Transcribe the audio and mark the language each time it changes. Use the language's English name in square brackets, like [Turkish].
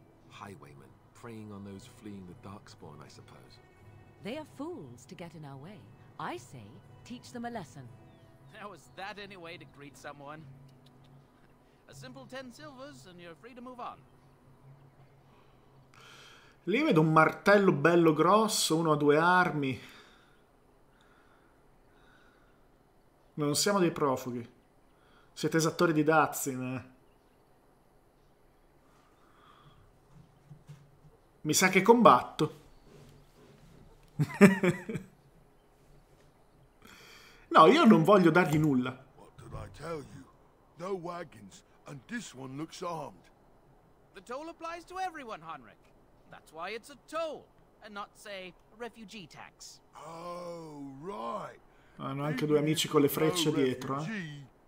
[English] Highwaymen, preying on those fleeing the Darkspawn, I suppose. They are fools to get in our way. I say, teach them a lesson. Now, is that any way to greet someone? A simple 10 silvers and you're free to move on. [Italian] Lì vedo un martello bello grosso, uno a due armi. Non siamo dei profughi. Siete esattori di Dazin. Mi sa che combatto. No, io non voglio dargli nulla. [English] What did I tell you? No wagons, and this one looks armed. The toll applies to everyone, Henrik. That's why it's a toll, and not, say, a refugee tax. Oh, right. [Italian] Hanno anche due amici con le frecce dietro, eh?